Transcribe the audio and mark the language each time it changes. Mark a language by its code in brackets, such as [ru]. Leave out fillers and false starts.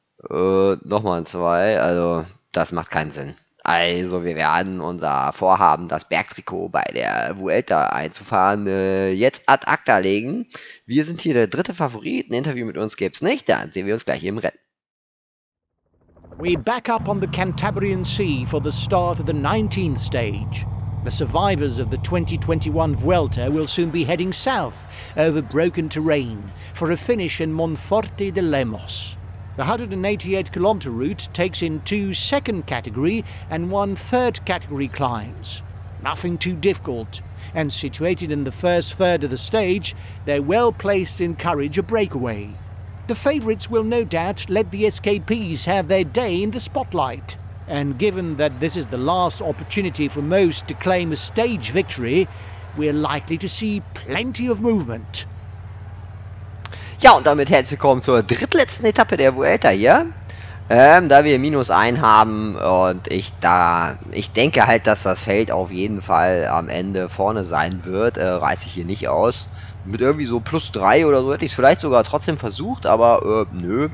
[de] Nochmal ein 2, also das macht keinen Sinn. Also, wir werden unser Vorhaben, das Bergtrikot bei der Vuelta einzufahren, jetzt ad acta legen. Wir sind hier der dritte Favorit. Ein Interview mit uns gibt's nicht. Dann sehen wir uns gleich hier im Rennen. [en] We back up on the Cantabrian Sea for the start of the 19th stage. The survivors of the 2021 Vuelta will soon be heading south over broken terrain for a finish in Monforte de Lemos. The 188-kilometer route takes in 2 second category and 1 third category climbs. Nothing too difficult, and situated in the first third of the stage, they're well placed to encourage a breakaway. The favourites will no doubt let the SKPs have their day in the spotlight. And given that this is the last opportunity for most to claim a stage victory, we're likely to see plenty of movement. [de] Ja, und damit herzlich willkommen zur drittletzten Etappe der Vuelta hier. Da wir minus 1 haben und ich denke halt, dass das Feld auf jeden Fall am Ende vorne sein wird, reiße ich hier nicht aus. Mit irgendwie so plus 3 oder so hätte ich es vielleicht sogar trotzdem versucht, aber nö.